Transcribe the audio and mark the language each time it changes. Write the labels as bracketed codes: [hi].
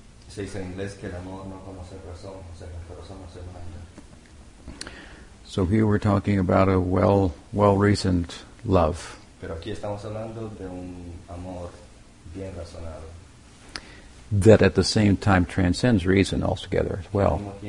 [en] So here we're talking about a well-reasoned love. [es] Pero aquí estamos hablando de un amor bien razonado. [en] That at the same time transcends reason altogether as well.